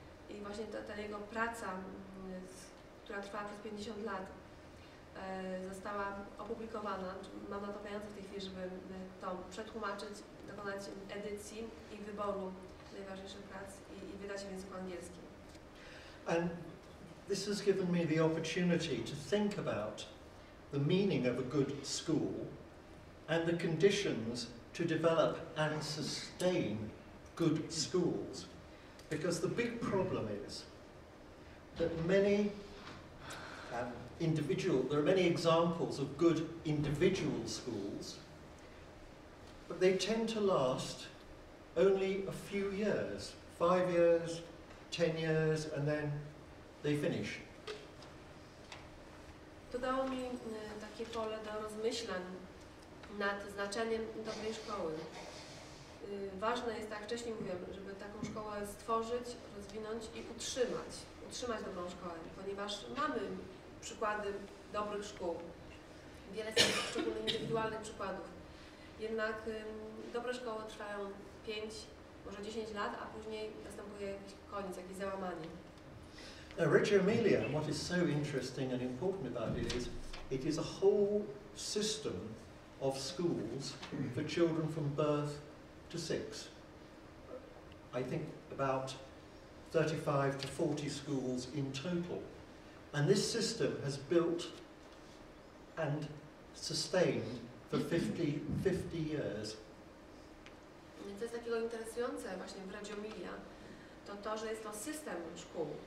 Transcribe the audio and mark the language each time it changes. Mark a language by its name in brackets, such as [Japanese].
[Polish] I właśnie ta jego praca, która trwała przez 50 lat, została opublikowana. Mam na to pieniądze w tej chwili, żeby to przetłumaczyć, dokonać edycji i wyboru najważniejszych prac i wydać w języku angielskim. [English] And this has given me the opportunity to think about the meaning of a good school and the conditions to develop and sustain good schools. Because the big problem is that many there are many examples of good individual schools, but they tend to last only a few years, 5 years, 10 years, and then they finish. [Polish] To dało mi takie pole do rozmyślań nad znaczeniem dobrej szkoły. Ważne jest, tak jak wcześniej mówiłem, żeby taką szkołę stworzyć, rozwinąć i utrzymać. Utrzymać dobrą szkołę, ponieważ mamy przykłady dobrych szkół. Wiele z tych szczególnie indywidualnych przykładów. Jednak dobre szkoły trwają 5, może 10 lat, a później następuje jakiś koniec, jakieś załamanie. [English] Now, Reggio Emilia, what is so interesting and important about it is a whole system of schools for children from birth to 6. I think about 35 to 40 schools in total. And this system has built and sustained for 50 years. [Polish] Co jest takiego interesujące właśnie w Reggio Emilia, to to, że jest to system szkół.